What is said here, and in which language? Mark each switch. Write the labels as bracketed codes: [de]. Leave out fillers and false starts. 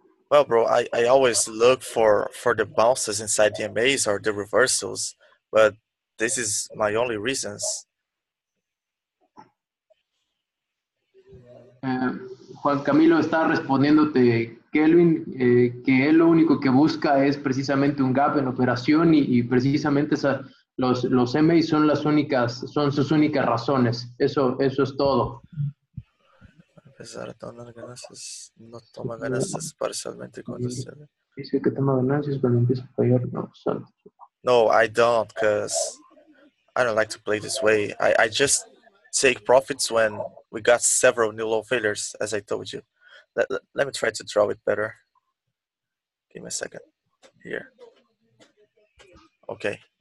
[en] Well, bro, I always look for the bounces inside the MAs or the reversals, but this is my only reasons. [es] Juan Camilo está respondiéndote, Kelvin, que él lo único que busca es precisamente un gap en operación y precisamente los MAs son sus únicas razones. Eso es todo. Empezar a tomar ganancias, no toma ganancias parcialmente cuando se ve. Dice que toma ganancias cuando empieza a fallar. [en] No, I don't, because I don't like to play this way. I just take profits when we got several new low failures, as I told you. Let me try to draw it better. Give me a second. Here. Okay.